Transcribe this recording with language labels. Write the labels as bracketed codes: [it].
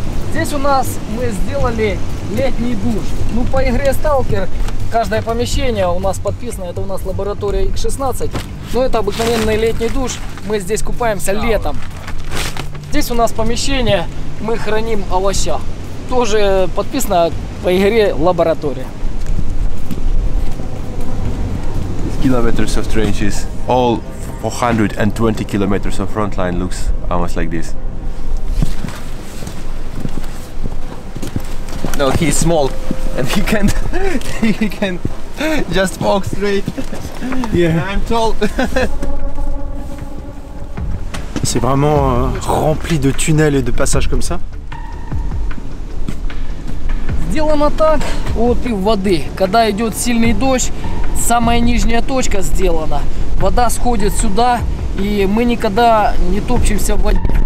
[ru] Здесь у нас мы сделали летний душ. Ну, по игре Stalker, каждое помещение у нас подписано. Это у нас лаборатория X16. Ну, это обыкновенный летний душ. Мы здесь купаемся летом. здесь у нас помещение, мы храним овоща. Тоже подписано по игре лаборатория. [en] Kilometers of trenches, all 420 kilometers of front line looks almost like this. No, he's small and he can't, he can just walk straight. Yeah, I'm tall. [fr] C'est vraiment rempli de tunnels et de passages comme ça. [ru] Сделано так, вот и воды. Когда идет сильный дождь, самая нижняя точка сделана. Вода сходит сюда, и мы никогда не топчемся в воде.